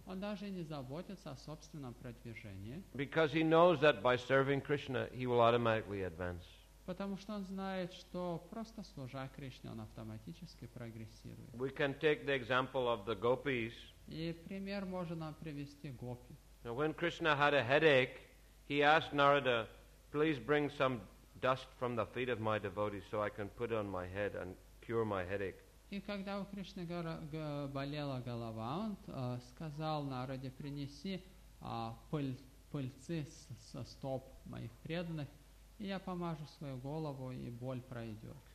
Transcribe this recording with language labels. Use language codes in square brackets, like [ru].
[ru] Он даже не заботится о собственном продвижении. [en] Because he knows that by serving Krishna, he will automatically advance. [ru] Потому что он знает, что просто служа Кришне, он автоматически прогрессирует. [en] We can take the example of the gopis. [ru] И пример можно нам привести гопи. [en] Now, when Krishna had a headache, he asked Narada, please bring some dust from the feet of my devotees so I can put it on my head and cure my headache. [ru] И когда у Кришны болела голова, он сказал Нараде, принеси пыльцы со стоп моих преданных, и я помажу свою голову, и боль пройдет.